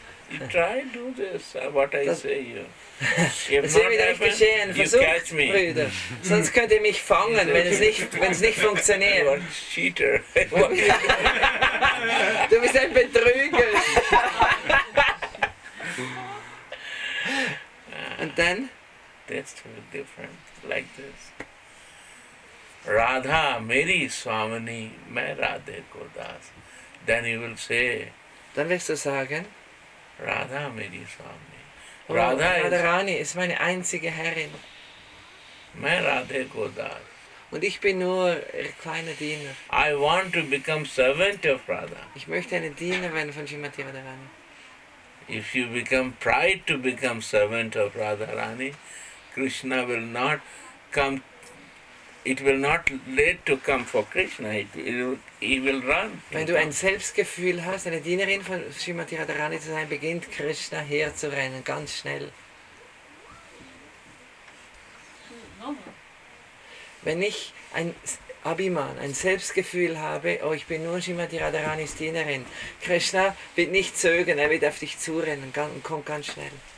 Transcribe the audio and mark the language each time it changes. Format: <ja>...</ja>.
<en>You try and do this, what I say, you catch me.</en> <de>Sonst könnt ihr mich fangen, wenn es nicht funktioniert.</de> <en>You are a cheater.</en> <de>Du bist ein Betrüger.</de> <en>And then? That's totally different, like this.</en> <hi>Radha, meri swamini, mein Radhe ko das.</hi> <en>Then you will say.</en> <de>Dann wirst du sagen.</de> <hi>Radha, meri swamini.</hi> <de>Radha Radharani ist meine einzige Herrin.</de> <hi>Mein Radhe ko das.</hi> <de>Und ich bin nur ihr kleiner Diener.</de> <en>I want to become servant of Radha.</en> <de>Ich möchte eine Diener werden von Srimati Radharani.</de> <en>If you become pride to become servant of Radharani, Krishna will not come. It will not let to come for Krishna. He will run.</en> <de>Wenn du ein Selbstgefühl hast, eine Dienerin von Srimati Radharani zu sein, beginnt Krishna hier zu rennen, ganz schnell. Wenn ich ein Abhiman, ein Selbstgefühl habe, oh, ich bin nur Srimati Radharanis Dienerin, Krishna wird nicht zögern, er wird auf dich zurennen und kommt ganz schnell.</de>